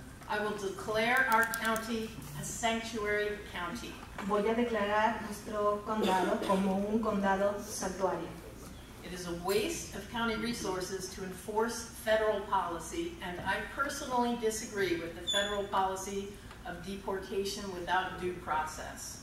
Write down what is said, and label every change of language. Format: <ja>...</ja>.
<en>I will declare our county a sanctuary county.</en> <es>Voy a declarar nuestro condado como un condado santuario.</es> <en>It is a waste of county resources to enforce federal policy, and I personally disagree with the federal policy of deportation without due process.</en>